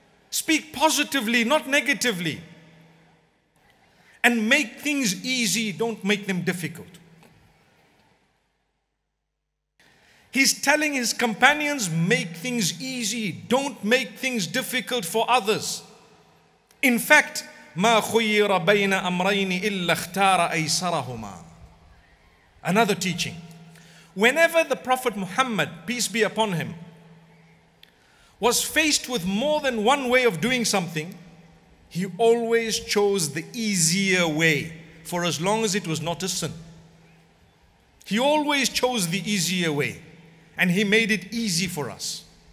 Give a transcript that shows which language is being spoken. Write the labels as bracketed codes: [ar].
[en] Speak positively, not negatively. And make things easy, don't make them difficult. He's telling his companions, make things easy, don't make things difficult for others. In fact, [ar] مَا خُيِّرَ بَيْنَ أَمْرَيْنِ إِلَّا اخْتَارَ أَيْسَرَهُمَا. [en] Another teaching. Whenever the Prophet Muhammad, peace be upon him, was faced with more than one way of doing something, he always chose the easier way for as long as it was not a sin. He always chose the easier way and he made it easy for us.